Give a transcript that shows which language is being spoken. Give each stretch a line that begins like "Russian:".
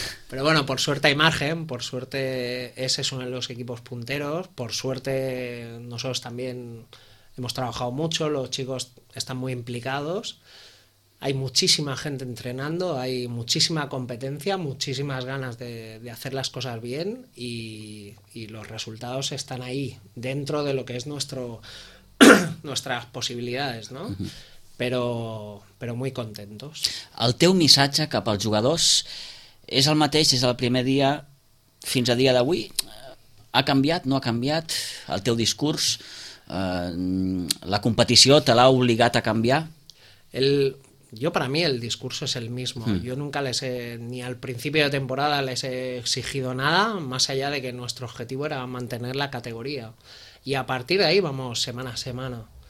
Spanish: Pero bueno, por suerte hay margen, por suerte ese es uno de los equipos punteros, por suerte nosotros también hemos trabajado mucho, los chicos están muy implicados, hay muchísima gente entrenando, hay muchísima competencia, muchísimas ganas de hacer las cosas bien y los resultados están ahí, dentro de lo que es nuestras posibilidades, ¿no? Pero muy contentos.
Catalan: El teu missatge cap als jugadors és el mateix des del primer dia fins a dia d'avui? Ha canviat? No ha canviat? El teu discurs, la competició te l'ha obligat a canviar?
Spanish: Yo para mí el discurso es el mismo. Yo nunca ni al principio de temporada les he exigido nada, más allá de que nuestro objetivo era mantener la categoría. Y a partir de ahí vamos semana a semana.